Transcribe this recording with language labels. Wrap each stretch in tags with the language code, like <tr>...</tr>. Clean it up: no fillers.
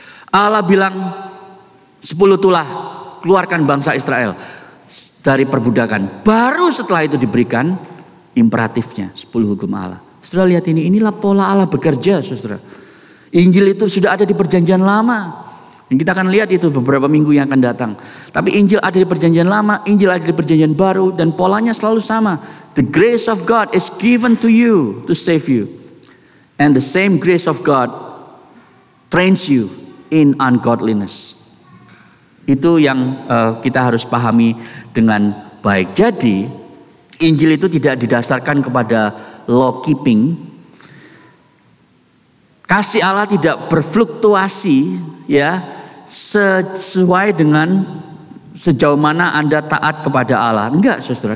<id>Allah bilang 10 tulah keluarkan bangsa Israel dari perbudakan. Baru setelah itu diberikan imperatifnya 10 hukum Allah. Saudara lihat ini, inilah pola Allah bekerja, saudara. Injil itu sudah ada di perjanjian lama. Dan kita akan lihat itu beberapa minggu yang akan datang. Tapi Injil ada di perjanjian lama, Injil ada di perjanjian baru, dan polanya selalu sama.</id> <en>The grace of God is given to you to save you. And the same grace of God trains you in ungodliness.</en> <id>Itu yang kita harus pahami dengan baik. Jadi Injil itu tidak didasarkan kepada</id> <en>law keeping.</en> <id>Kasih Allah tidak berfluktuasi, ya, sesuai dengan sejauh mana Anda taat kepada Allah. Enggak, saudara.</id>